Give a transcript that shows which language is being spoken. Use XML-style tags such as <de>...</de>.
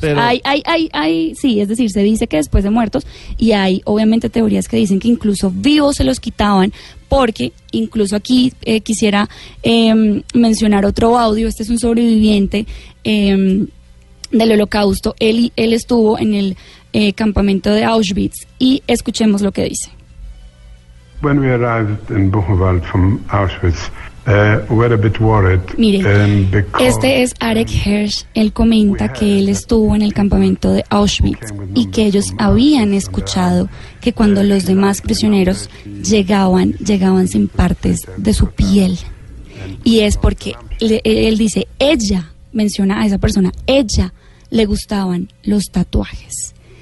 <es>Hay, sí, es decir, se dice que después de muertos, y hay obviamente teorías que dicen que incluso vivos se los quitaban, porque incluso aquí quisiera mencionar otro audio. Este es un sobreviviente del Holocausto. Él estuvo en el campamento de Auschwitz, y escuchemos lo que dice.</es> <en>When we arrived in Buchenwald from Auschwitz, we're a bit worried.</en> <es>Mire, este es Arek Hirsch. Él comenta que él estuvo en el campamento de Auschwitz y que ellos habían escuchado que cuando los demás prisioneros llegaban sin partes de su piel. Y es porque él dice, ella menciona a esa persona, ella le gustaban los tatuajes.</es>